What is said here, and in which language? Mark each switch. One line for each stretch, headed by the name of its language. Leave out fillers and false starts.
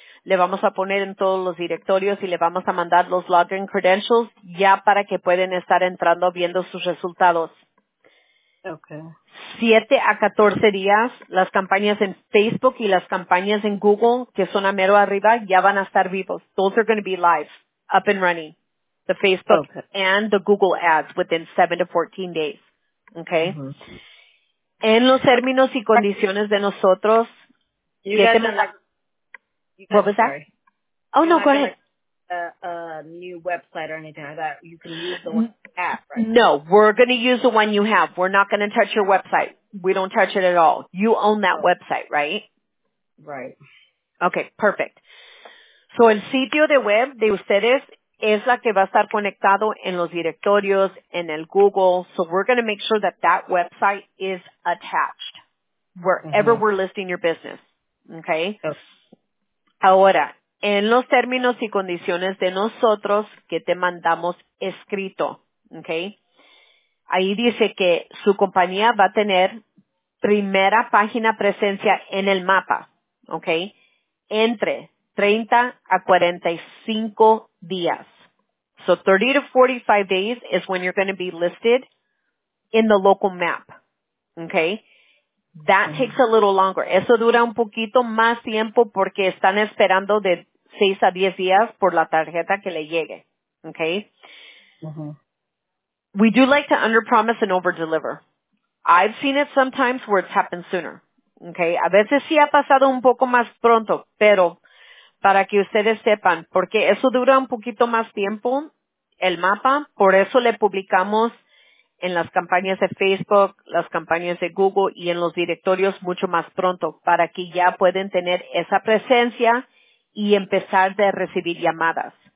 Spanish: Le vamos a poner en todos los directorios y le vamos a mandar los
English: login credentials
Spanish: ya para que pueden estar entrando viendo sus resultados.
English: Okay.
Spanish: 7 a 14 días, las campañas en Facebook y las campañas en Google, que son a mero arriba, ya van a estar vivos.
English: Those are going to be live, up and running. The Facebook and the Google ads within 7 to 14 days. Okay? Mm-hmm.
Spanish: En los términos y condiciones de nosotros,
English: you guys are like, what was that? Sorry. Oh, no, go ahead. A new website or anything like that. You can use the one you have, right? No, we're going to use the one you have. We're not going to touch your website. We don't touch it at all. You own that website, right? Right. Okay, perfect. So
Spanish: el sitio de web de ustedes es la que va a estar conectado en los directorios, en el Google.
English: So we're going to make sure that that website is attached wherever we're listing your business. Okay? Yes.
Spanish: Ahora, en los términos y condiciones de nosotros que te mandamos escrito, okay, ahí dice que su compañía va a tener primera página presencia en el mapa, okay, entre 30 a 45 días.
English: So 30 to 45 days is when you're going to be listed in the local map, okay. That takes a little longer.
Spanish: Eso dura un poquito más tiempo porque están esperando de 6 a 10 días por la tarjeta que le llegue, okay? Mm-hmm.
English: We do like to under-promise and over-deliver. I've seen it sometimes where it's happened sooner, okay?
Spanish: A veces sí ha pasado un poco más pronto, pero para que ustedes sepan, porque eso dura un poquito más tiempo, el mapa, por eso le publicamos en las campañas de Facebook, las campañas de Google y en los directorios mucho más pronto, para que ya pueden tener esa presencia y empezar de recibir llamadas.